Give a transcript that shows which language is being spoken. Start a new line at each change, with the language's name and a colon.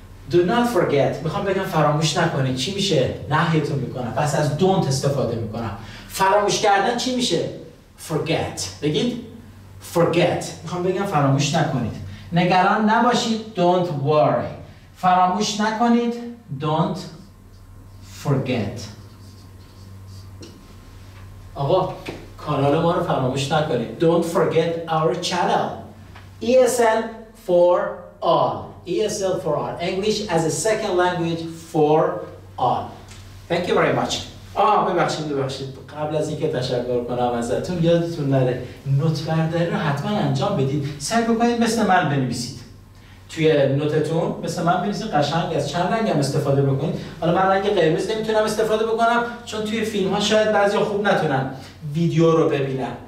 Persian: Do not forget میخوام بگم فراموش نکنید چی میشه؟ نهیتون میکنم پس از don't استفاده میکنم فراموش کردن چی میشه؟ Forget بگید Forget میخوام بگم فراموش نکنید نگران نباشید
English: Don't worry
Persian: فراموش نکنید
English: Don't forget
Persian: آقا کانال ما رو فراموش نکنید
English: Don't forget our channel ESL for all ESL for all. English as a second language for all. Thank you very much.
Persian: ببخشید. قبل از اینکه تشکر کنم ازتون یادتون نره نوت برداری رو حتما انجام بدید. سعی بکنید مثل من بنویسید. توی نوتتون مثل من بنویسید قشنگ از چند رنگ هم استفاده بکنید. حالا من رنگ قرمز نمیتونم استفاده بکنم چون توی فیلم ها شاید بعضی خوب نتونن ویدیو رو ببینن.